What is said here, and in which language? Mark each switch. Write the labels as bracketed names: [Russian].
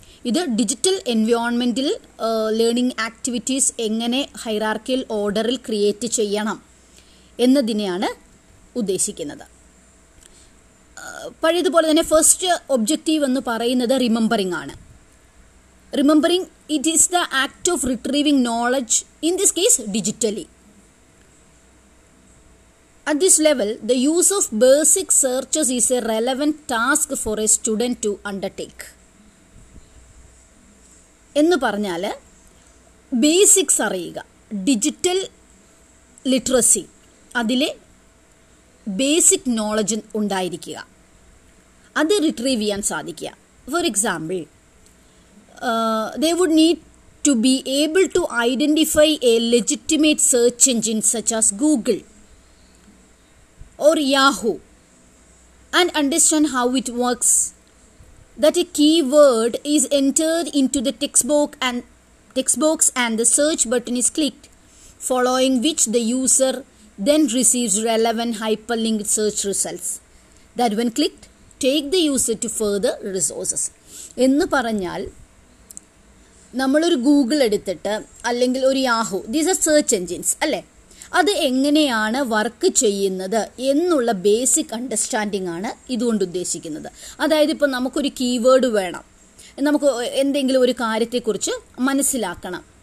[Malayalam] ഇത് digital എൻവയോൺമെൻറ്റിൽ learning activities എങ്ങനെ hierarchical ഓർഡറിൽ ക്രിയേറ്റ് ചെയ്യണം എന്നതിനെയാണ് ഉദ്ദേശിക്കുന്നത്. പഴയതുപോലെ തന്നെ ഫസ്റ്റ് ഒബ്ജക്റ്റീവ് എന്ന് പറയുന്നത് റിമെമ്പറിംഗ് ആണ്. [English] Remembering it is the act of retrieving knowledge in this case digitally. At this level, the use of basic searches is a relevant task for a student to undertake. [Malayalam] എന്ന് പറഞ്ഞാൽ basics അറിയുക, digital literacy, അതിലെ basic knowledge ഉണ്ടായിരിക്കുക, അത് retrieve ചെയ്യാൻ സാധിക്കുക. [English] For example, they would need to be able to identify a legitimate search engine such as Google or Yahoo and understand how it works. That a keyword is entered into the textbooks and the search button is clicked, following which the user then receives relevant hyperlinked search results that when clicked take the user to further resources. [Malayalam] എന്ന് പറഞ്ഞാൽ നമ്മളൊരു Google എടുത്തിട്ട് അല്ലെങ്കിൽ ഒരു Yahoo, [English] these are search engines [Malayalam] അല്ലേ, അത് എങ്ങനെയാണ് work ചെയ്യുന്നത് എന്നുള്ള ബേസിക് അണ്ടർസ്റ്റാൻഡിംഗ് ആണ് ഇതുകൊണ്ട് ഉദ്ദേശിക്കുന്നത്. അതായത് ഇപ്പം നമുക്കൊരു കീവേഡ് വേണം, നമുക്ക് എന്തെങ്കിലും ഒരു കാര്യത്തെക്കുറിച്ച് മനസ്സിലാക്കണം.